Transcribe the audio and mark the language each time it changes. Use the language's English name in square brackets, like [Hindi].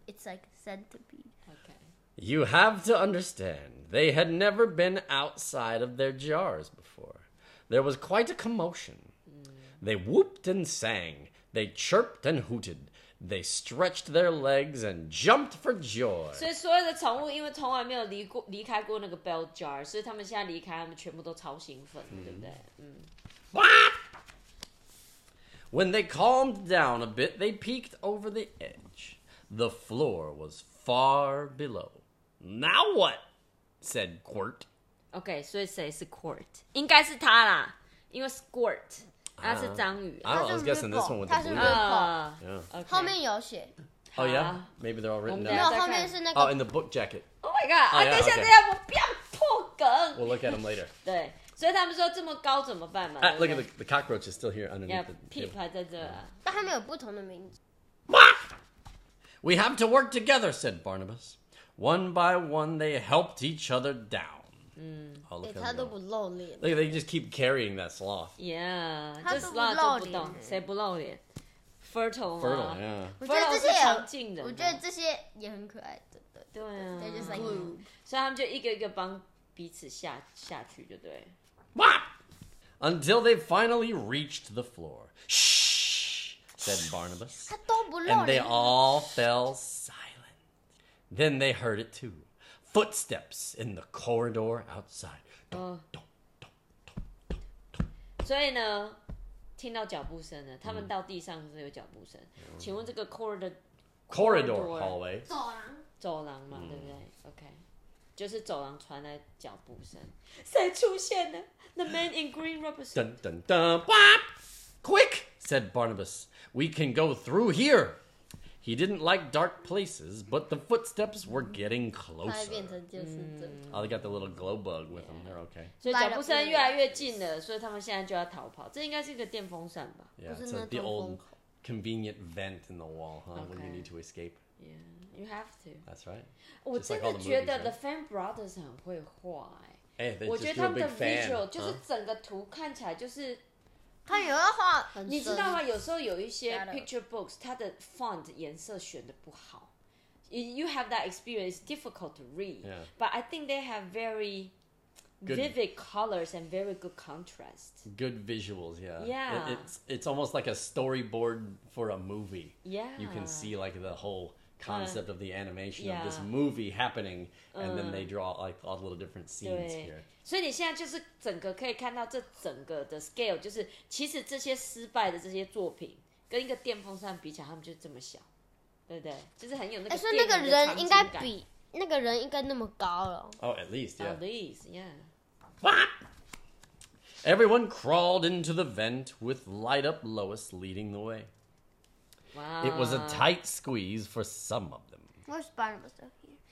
[English] It's like a centipede. Okay. You have to understand, they had never been outside of their jars before. There was quite a commotion. They whooped and sang. They chirped and hooted. They stretched their legs and jumped for joy. [Chinese] 所以所有的宠物因为从来没有离开过那个 bell jar, 所以他们现在离开他们全部都超兴奋、mm. 对不对、 mm. Bah! [English] When they calmed down a bit, they peeked over the edge. The floor was far below. Now what? Said Quirt. Okay, so it says Quirt. [Chinese] 应该是他啦，因为 Squirt 他是章鱼。 [English] I was guessing this one with the blue one. [Chinese] 他是 [English] Ripple. [Chinese] 后面有写。 [English] Oh yeah, maybe they're all written down. 没有，后面是那个。 Oh, in the book jacket. Oh my god! Oh, yeah, [Chinese] 啊，等一下， [English] okay. [Chinese] 等一下，我不要破梗。 [English] We'll look at them later. [Chinese] 对。所以他们说这么高怎么办嘛、 [English] okay. Look at the cockroach is still here underneath the table. [Chinese] Peep 还在这啊。但他们有不同的名字。 [English] We have to work together, said Barnabus. One by one, they helped each other down. [Chinese] 嗯、oh, 欸、他都不露脸。 [English] Look, they just keep carrying that sloth. Yeah, [Chinese] 这 sloth 都不动，谁不露脸？ Fertile 吗？ [English] Fertile, yeah. Fertile [Chinese] 是常进的。我觉得这些也很可爱的。对啊。 [English] They just like, [Chinese] 所以他们就一个一个帮彼此下去就对。 [English] Until they finally reached the floor. Shh, said Barnabus. And they all fell silent. Then they heard it too. Footsteps in the corridor outside. [Chinese] So, 呢，听到脚步声了，他们到地上是有脚步声。请问这个 corridor [English] hallway [Chinese] 走廊嘛，对不对？OK. 就是走廊传来脚步声，谁出现呢 ？ [English] The man in green rubber suit. 噔噔噔 ，Bop! Quick, said Barnabus. We can go through here. He didn't like dark places, but the footsteps were getting closer. [Chinese] 变成就是这。 [English] Oh, they got the little glow bug with them. They're okay. 所以脚步声越来越近了，所以他们现在就要逃跑。这应该是一个电风扇吧？ Yeah, it's the old convenient vent in the wall, huh?、 Okay. When you need to escape. Yeah. You have to. That's right. [Chinese] 我真的觉得 [English] the [Chinese] Fan Brothers 很会画哎。哎，我觉得他们的 visual 就是整个图看起来就是，他有的画，你知道吗？有时候有一些 picture books， 它的 font 颜色选的不好。 [English] You have that experience. It's difficult to read. But I think they have very vivid colors and very good contrast. Good visuals, yeah. Yeah. It's almost like a storyboard for a movie. Yeah. You can see like the whole. Concept of the animation、yeah. of this movie happening, and then they draw like all the little different scenes here. [Chinese] 所以你现在就是整个可以看到这整个的 scale， 就是其实这些失败的这些作品跟一个电风扇比起来，他们就这么小，对不对？就是很有那个电影的场景感。所以那个人应该比那个人应该那么高了。 [English] Oh, at least, yeah. At least, yeah. Ah! Everyone crawled into the vent with light up Lois leading the way. Wow. It was a tight squeeze for some of them. Where's Barnabas up here?